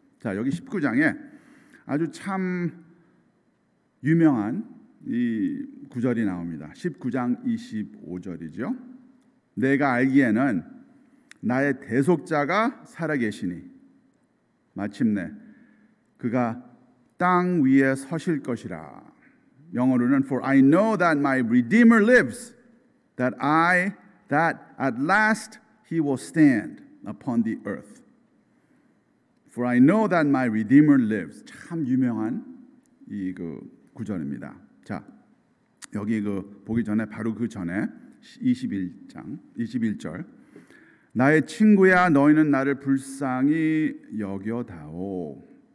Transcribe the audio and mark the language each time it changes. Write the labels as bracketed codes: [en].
[ko] 자, 여기 19장에 아주 참 유명한 이 구절이 나옵니다. 19장 25절이죠. 내가 알기에는 나의 대속자가 살아계시니 마침내 그가 땅 위에 서실 것이라. 영어로는 [en] For I know that my Redeemer lives, that at last he will stand upon the earth. For I know that my Redeemer lives. [ko] 참 유명한 이 그 구절입니다. 자, 여기 그 보기 전에 바로 그 전에 21장 21절 나의 친구야 너희는 나를 불쌍히 여겨다오.